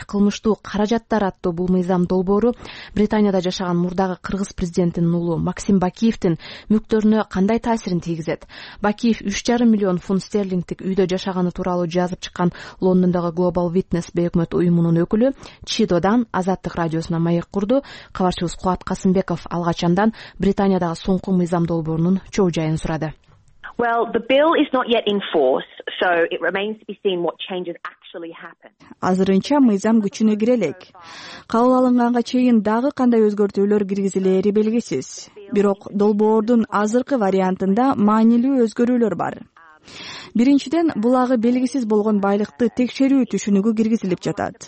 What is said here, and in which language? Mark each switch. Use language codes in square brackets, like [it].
[ky] Кылмыштуу каражаттар аттуу бул мыйзам долбоору Британияда жашаган мурдагы кыргыз президентинин уулу Максим Бакиевдин мүлктөрүнө кандай таасирин тийгизет? Бакиев 3.5 миллион фунт стерлингдик үйдө жашаганы тууралуу жазып чыккан Лондондогу Global Witness бейөкмөт уюмунун өкүлү Чидодан Азаттык радиосуна маек курду. Кабарчыбыз Кубат Касымбеков алгач андан Британиядагы соңку мыйзам долбоорунун чоо жайын сурады. [en] Well, the bill is not yet in force, so it remains to be seen what changes actually happen. [ky] Азырынча мыйзам күчүнө кире элек. Кабыл алынганга чейин дагы кандай өзгөртүүлөр киргизилери белгисиз. Бирок долбоордун азыркы вариантында маанилүү өзгөрүүлөр бар. Биринчиден, бул агы белгисиз болгон байлыкты текшерүү түшүнүгү киргизилип жатат.